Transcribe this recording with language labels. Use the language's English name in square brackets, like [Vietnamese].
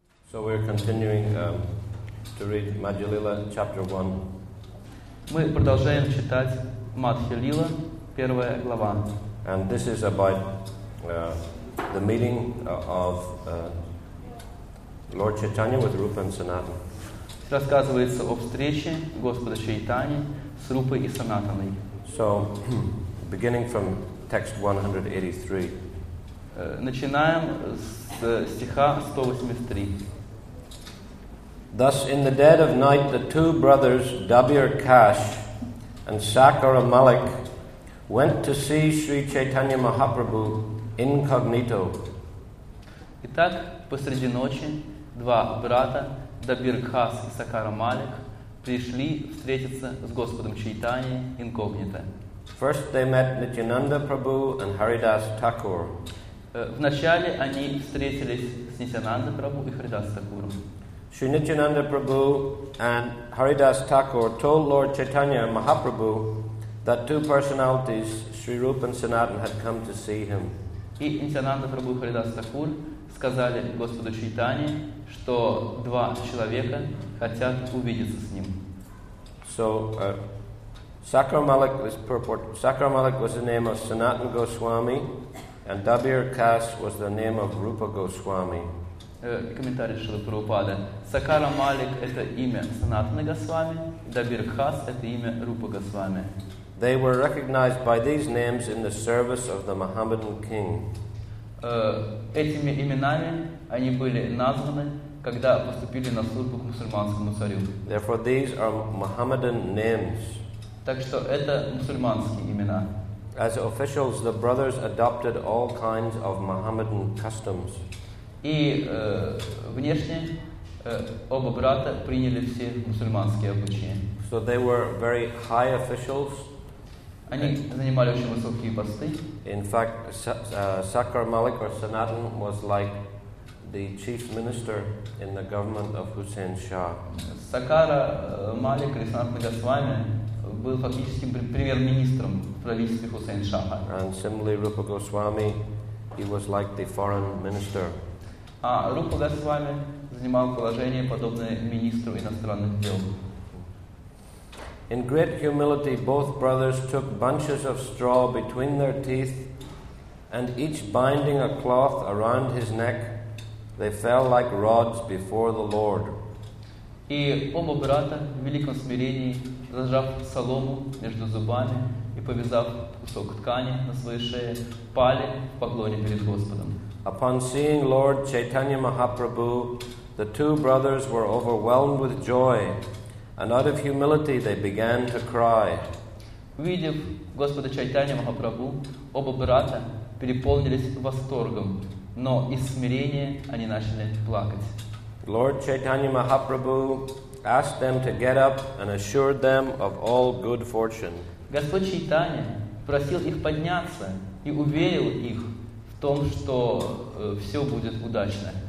[English] So we're continuing to read Маджалила chapter 1. [Russian] Мы продолжаем читать Маджалила, первая глава. [English] And this is about the meeting of Lord Chaitanya with Rupa and Sanatan. [Russian] Рассказывается о встрече Господа Чайтани с Рупой и Санатаной. [English] So beginning from text 183. [Russian] Начинаем с стиха 183. [English] Thus, in the dead of night, the two brothers, Dabir Kash and Sakara Malik, went to see Sri Chaitanya Mahaprabhu incognito. [Russian] Итак, посреди ночи два брата, Дабир Каш и Сакара Малик, пришли встретиться с Господом Чайтани инкогнито. [English] First they met Nityananda Prabhu and Haridas Thakur. [Russian] Вначале они встретились с Нитянандой Прабху и Харидас Такуром. [English] Sri Nityananda Prabhu and Haridas Thakur told Lord Chaitanya Mahaprabhu that two personalities, Sri Rupa and Sanatan, had come to see him. [Russian] И Нитянанда Прабху и Харидас Такур сказали Господу Чайтани, что два человека хотят увидеться с ним. [English] So, Sakara Malik was the name of Sanatan Goswami, and Dabir Kash was the name of Rupa Goswami. [Russian] Комментарий Шрилы Прабхупады. Сакара Малик — это имя Санатана Госвами, Дабир Кас — это имя Рупа Госвами. [English] They were recognized by these names in the service of the Mohammedan king. [Russian] Этими именами они были названы, когда поступили на службу к мусульманскому царю. [English] Therefore, these are Mohammedan names. [Russian] Так что это мусульманские имена. [English] As officials, the brothers adopted all kinds of Mohammedan customs. [Russian] И внешне оба брата приняли все мусульманские обычаи. [English] So they were very high officials. [Russian] Они занимали очень высокие посты. [English] In fact, Sakara Malik or Sanatan was like the chief minister in the government of Hussein Shah. [Russian] Сакара Малик или Санатан Госвами был фактически премьер-министром в правительстве Хусейн Шаха. [English] And similarly, Rupa Goswami, he was like the foreign minister. [Russian] А Рупа Госвами занимал положение, подобное министру иностранных дел. [English] In great humility, both brothers took bunches of straw between their teeth, and each binding a cloth around his neck, they fell like rods before the Lord. [Russian] И оба брата в великом смирении, зажав солому между зубами и повязав кусок ткани на своей шее, пали в поклоне перед Господом. [English] Upon seeing Lord Chaitanya Mahaprabhu, the two brothers were overwhelmed with joy, and out of humility they began to cry. [Russian] Увидев Господа Чайтанья Махапрабху, оба брата переполнились восторгом, но из смирения они начали плакать. [English] Lord Chaitanya Mahaprabhu asked them to get up and assured them of all good fortune. [Russian] Господь Чайтанья просил их подняться и уверил их в том, что все будет удачно.